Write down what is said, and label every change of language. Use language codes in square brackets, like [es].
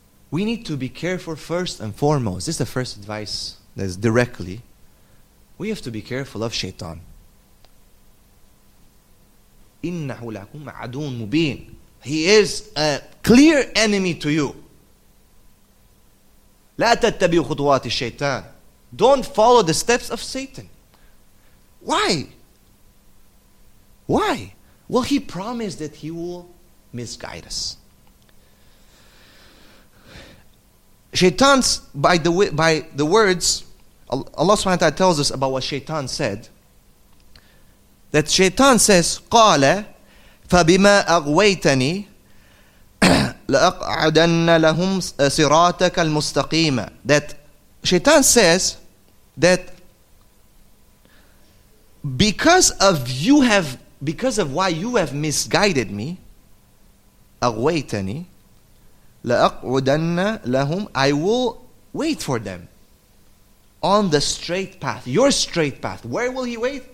[en] We need to be careful first and foremost. This is the first advice that is directly. We have to be careful of shaitan. [ar] إِنَّهُ لَكُمْ عَدُونَ مُبِينَ. [en] He is a clear enemy to you. [ar] لا تتبعوا خطوات الشيطان. [en] Don't follow the steps of Satan. Why? Well, he promised that he will misguide us. Shaitan's, by the words, Allah subhanahu wa ta'ala tells us about what Shaitan said. That Shaitan says, [ar] قال فبما أغويتني لَأَقْعَدَنَّ لَهُمْ صِرَاتَكَ الْمُسْتَقِيمَ. [en] That Shaitan says that because of why you have misguided me, [ar] أَغْوَيْتَنِي لَأَقْعَدَنَّ لَهُمْ, [en] I will wait for them on the straight path, your straight path. Where will he wait?